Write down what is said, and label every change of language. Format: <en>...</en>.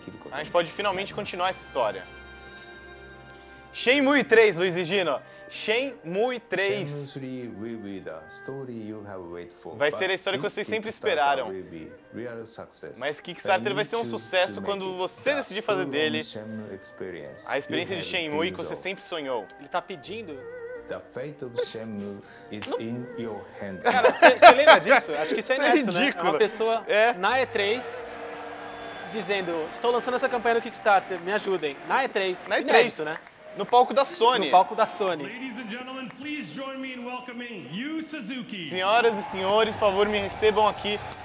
<pt>A gente pode finalmente continuar essa história. Shenmue 3, Luiz e Gino. Shenmue 3. Vai ser a história que vocês sempre esperaram. Mas Kickstarter vai ser um sucesso quando você decidir fazer dele a experiência de Shenmue que você sempre sonhou. Ele tá pedindo...</pt> <en>The fate of Shenmue is in your hands.</en> <pt>Cara, você lembra disso? Acho que isso é honesto, ridículo. Né? Uma pessoa na E3 dizendo, estou lançando essa campanha no Kickstarter, me ajudem. Na E3. Na E3. Né? No palco da Sony. No palco da Sony. Senhoras e senhores, por favor, me recebam aqui</pt>